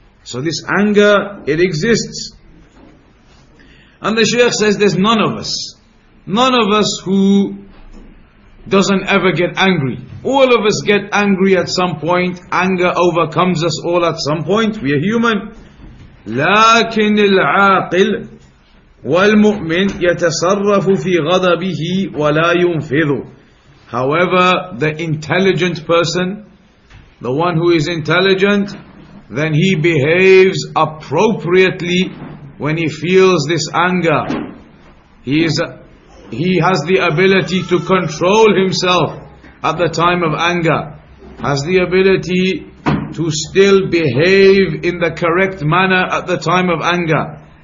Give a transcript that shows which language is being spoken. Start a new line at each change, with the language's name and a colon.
English: So this anger, it exists. And the Shaykh says there's none of us. None of us who doesn't ever get angry. All of us get angry at some point. Anger overcomes us all at some point. We are human.
Arabic: لكن العاقل والمؤمن يتصرف في غضبه ولا ينفذ.
English: However, the intelligent person, the one who is intelligent, then he behaves appropriately when he feels this anger. He has the ability to control himself at the time of anger, has the ability to still behave in the correct manner at the time of anger.